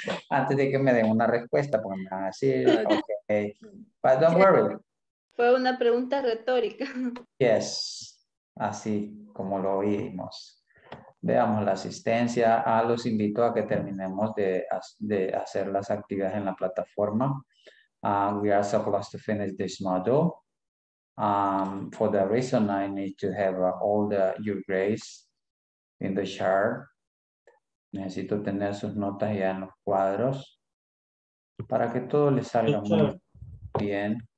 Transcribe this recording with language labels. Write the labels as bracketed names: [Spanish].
[Spanish] Antes de que me den una respuesta, pues me van a decir, okay. [English] But don't worry. [Spanish] Fue una pregunta retórica. Yes, así como lo oímos. Veamos la asistencia. Los invito a que terminemos de hacer las actividades en la plataforma. [English] We are so close to finish this module. For the reason I need to have all the your grades in the chart. [Spanish] Necesito tener sus notas ya en los cuadros para que todo le salga muy bien.